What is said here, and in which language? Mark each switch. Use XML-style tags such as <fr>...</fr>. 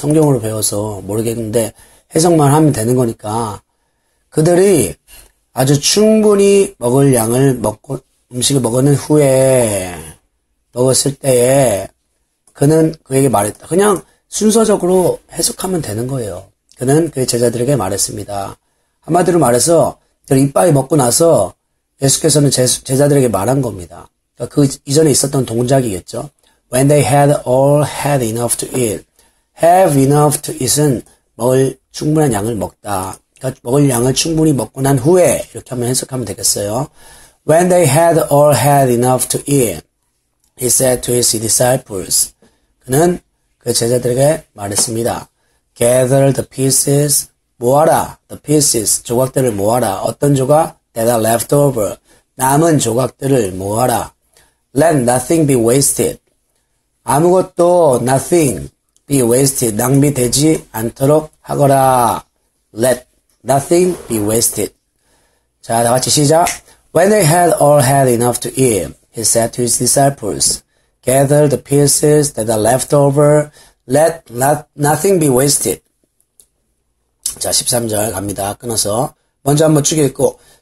<ko>성경으로 배워서 모르겠는데 해석만 하면 되는 거니까 그들이 아주 충분히 먹을 양을 먹고 음식을 먹은 후에 먹었을 때에 그는 그에게 말했다. 그냥 순서적으로 해석하면 되는 거예요. 그는 그의 제자들에게 말했습니다. 한마디로 말해서 이빨이 먹고 나서 예수께서는 제자들에게 말한 겁니다. 그 이전에 있었던 동작이겠죠.</ko> <en>When they had all had enough to eat. Have enough to eat</en> <ko>은 먹을 충분한 양을 먹다. 그러니까 먹을 양을 충분히 먹고 난 후에 이렇게 한번 해석하면 되겠어요.</ko> <en>When they had all had enough to eat, he said to his disciples.</en> <ko>그는 그 제자들에게 말했습니다.</ko> <en>Gather the pieces,</en> <ko>모아라.</ko> <en>The pieces,</en> <ko>조각들을 모아라. 어떤 조각?</ko> <en>That are left over.</en> <ko>남은 조각들을 모아라.</ko> <en>Let nothing be wasted.</en> <ko>아무것도</ko> <en>nothing be wasted.</en> <ko>낭비되지 않도록 하거라.</ko> <en>Let nothing be wasted.</en> <ko>자, 다 같이 시작.</ko> <en>When they had all had enough to eat, he said to his disciples, Gather the pieces that are left over, let nothing be wasted.</en> <ko>자, 13절 갑니다. 끊어서. 먼저 한번 쭉 읽고,</ko>